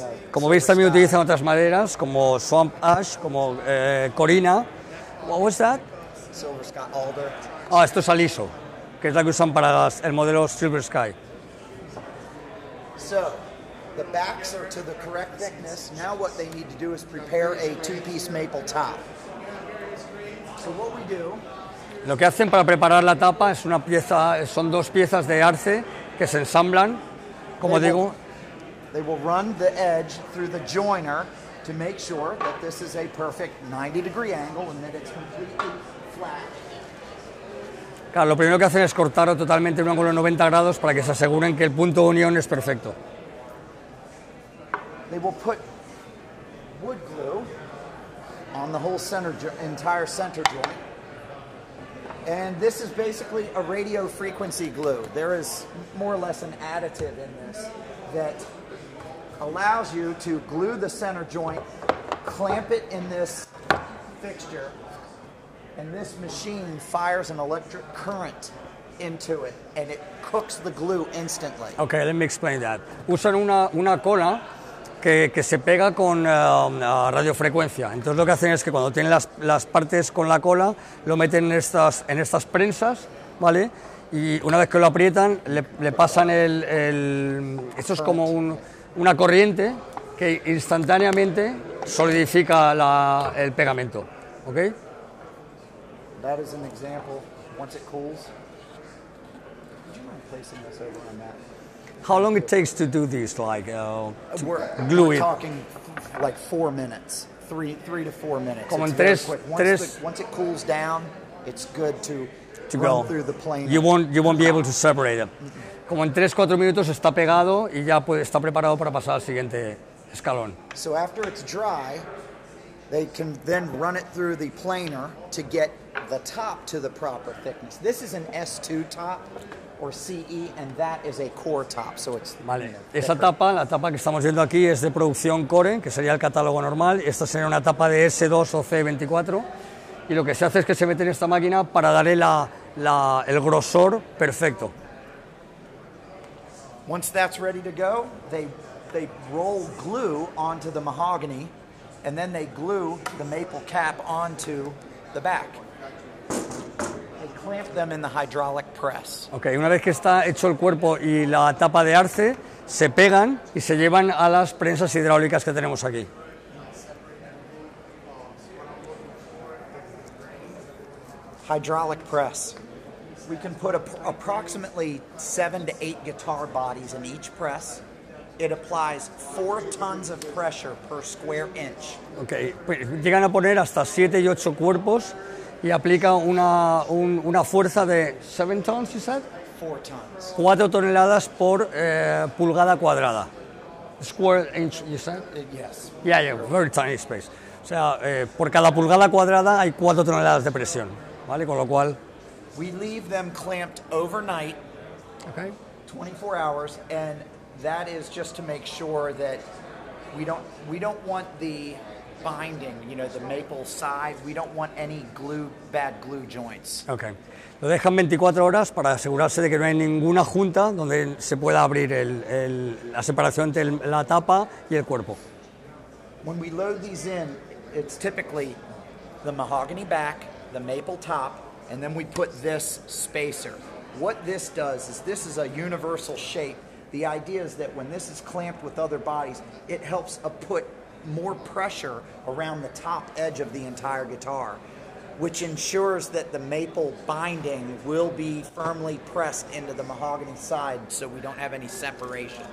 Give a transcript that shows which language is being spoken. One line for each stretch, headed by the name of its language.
Spanish: Como veis, también utilizan otras maderas, como swamp ash, como corina.
English: What was that? Silver Sky alder.
Spanish: Ah, esto es aliso, que es la que usan para el modelo Silver Sky.
English: So, the backs are to the correct thickness. Now what they need to do is prepare a two-piece maple top. So what we do...
Spanish: Lo que hacen para preparar la tapa es una pieza, son dos piezas de arce que se ensamblan, como
English: they
Spanish: digo...
English: They will run the edge through the joiner to make sure that this is a perfect 90-degree angle and that it's completely flat.
Spanish: Claro, lo primero que hacen es cortarlo totalmente en un ángulo de 90 grados para que se aseguren que el punto de unión es perfecto.
English: They will put wood glue on the whole center, entire center joint. And this is basically a radio frequency glue. There is more or less an additive in this that allows you to glue the center joint, clamp it in this fixture, and this machine fires an electric current into it, and it cooks the glue instantly. Okay, let me explain that.
Spanish: Usan una cola que se pega con radiofrecuencia. Entonces lo que hacen es que cuando tienen las partes con la cola, lo meten en estas prensas, ¿vale? Y una vez que lo aprietan, le pasan el esto es como una corriente que instantáneamente solidifica el pegamento, ¿ok?
English: That is an example. Once it cools. Would you mind placing this over on that? How long it takes to do this? Like glue it. We're talking like 4 minutes, three to 4 minutes.
Spanish: Como
English: it's
Spanish: en tres,
English: quick. Once,
Spanish: tres.
English: Once it cools down, it's good to go through the plane. You won't be able to separate it.
Spanish: Como en 3-4 minutos está pegado y ya puede, está preparado para pasar al siguiente escalón.
English: So after it's dry, they can then run it through the planer to get the top to the proper thickness. This is an S2 top or CE, and that is a core top. So it's
Spanish: vale.
English: You know,
Spanish: esa tapa, la tapa que estamos viendo aquí es de producción core, que sería el catálogo normal. Esta sería una tapa de S2 o C24. Y lo que se hace es que se mete en esta máquina para darle el grosor perfecto.
English: Once that's ready to go, they roll glue onto the mahogany, and then they glue the maple cap onto the back. They clamp them in the hydraulic press.
Spanish: Okay, una vez que está hecho el cuerpo y la tapa de arce, se pegan y se llevan a las prensas hidráulicas que tenemos aquí.
English: Hydraulic press. We can put approximately 7 to 8 guitar bodies in each press. It applies 4 tons of pressure per square inch.
Spanish: Okay, llegan a poner hasta 7 y 8 cuerpos y aplica una fuerza de 7 tons,
English: you said? 4 tons.
Spanish: 4 toneladas por pulgada cuadrada.
English: Square inch, you said? Yes. Yeah, very tiny space.
Spanish: O sea, por cada pulgada cuadrada hay 4 toneladas de presión, ¿vale? Con lo cual...
English: We leave them clamped overnight, okay, 24 hours, and that is just to make sure that we don't want the binding, you know, the maple side, we don't want any bad glue joints. Okay.
Spanish: Lo dejan 24 horas para asegurarse de que no hay ninguna junta donde se pueda abrir la separación entre la tapa y el cuerpo.
English: When we load these in, it's typically the mahogany back, the maple top, and then we put this spacer. What this does is this is a universal shape. The idea is that when this is clamped with other bodies, it helps put more pressure around the top edge of the entire guitar, which ensures that the maple binding will be firmly pressed into the mahogany side so we don't have any separation.